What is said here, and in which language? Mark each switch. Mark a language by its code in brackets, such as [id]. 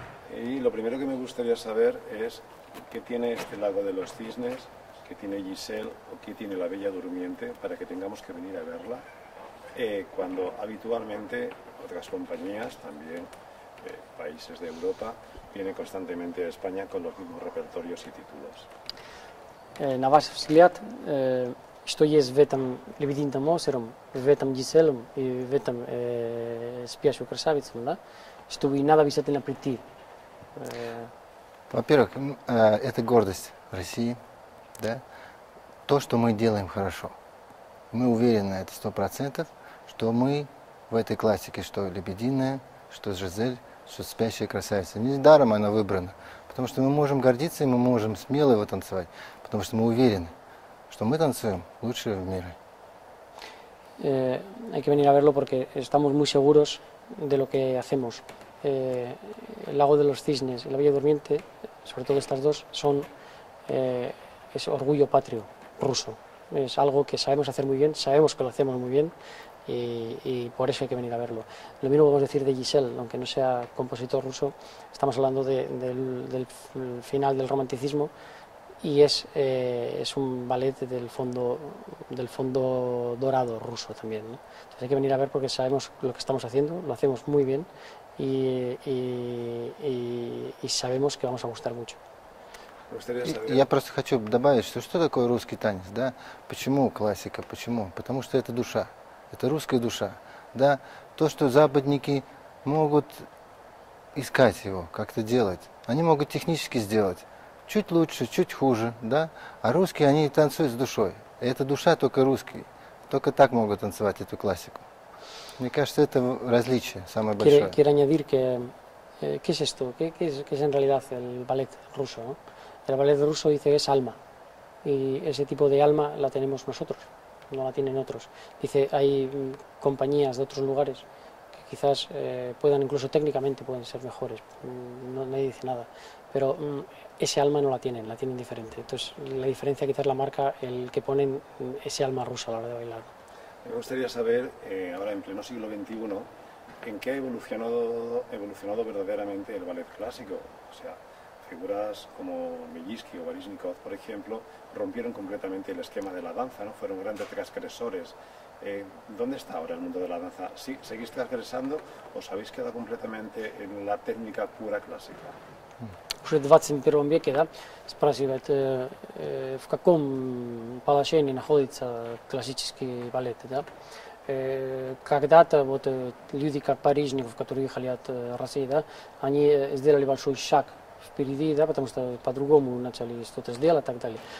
[es] И lo primero que me gustaría saber es qué tiene este lago de los cisnes, qué tiene Giselle o qué tiene la Bella Durmiente para que tengamos que venir a verla cuando habitualmente otras compañías también, países de Europa, vienen constantemente a España con los mismos repertorios y títulos. [ru] На ваш взгляд, что есть в этом «Лебединым озером», в этом «Гизелле» и в этом «Спящую красавицу», да? Что и надо обязательно прийти? Во-первых, это гордость России, да? То, что мы делаем хорошо. Мы уверены, это 100%, что мы в этой классике, что «Лебединая», что «Жизель», что «Спящая красавица». Не даром она выбрана, потому что мы можем гордиться, и мы можем смело его танцевать, потому что мы уверены, что мы танцуем лучше в мире. [es] Hay que venir a verlo porque estamos muy seguros de lo que hacemos. El lago de los cisnes y la Bella Durmiente, sobre todo estas dos, son es orgullo patrio ruso. Es algo que sabemos hacer muy bien, sabemos que lo hacemos muy bien y por eso hay que venir a verlo. Lo mismo podemos decir de Giselle, aunque no sea compositor ruso, estamos hablando del final del romanticismo y es un ballet del fondo dorado ruso también, ¿no? Entonces hay que venir a ver porque sabemos lo que estamos haciendo, lo hacemos muy bien. [ru] И знаем, что вам понравится очень. Я просто хочу добавить, что такое русский танец, да? Почему классика? Почему? Потому что это душа, это русская душа, да? То, что западники могут искать его, как-то делать, они могут технически сделать, чуть лучше, чуть хуже, да? А русские, они танцуют с душой. И эта душа только русские, только так могут танцевать эту классику. Мне кажется, это различие самое большое. [es] Quiero añadir que ¿qué es esto? ¿Qué es en realidad el ballet ruso? ¿No? El ballet ruso dice que es alma y ese tipo de alma la tenemos nosotros, no la tienen otros. Dice hay compañías de otros lugares que quizás puedan incluso técnicamente pueden ser mejores, no nadie dice nada, pero ese alma no la tienen diferente. Entonces la diferencia quizás la marca el que ponen ese alma rusa a la hora de bailar. Me gustaría saber, ahora en pleno siglo XXI, ¿en qué ha evolucionado verdaderamente el ballet clásico? O sea, figuras como Nijinsky o Baryshnikov, por ejemplo, rompieron completamente el esquema de la danza, ¿no? Fueron grandes transgresores. ¿Dónde está ahora el mundo de la danza? ¿Sí, seguís transgresando o os habéis quedado completamente en la técnica pura clásica? [ru] Уже в 21 веке, да, спрашивает, в каком положении находится классический балет, да? Когда-то вот люди, как Барышников, которые ехали от России, да, они сделали большой шаг впереди, да, потому что по-другому начали что-то сделать и так далее.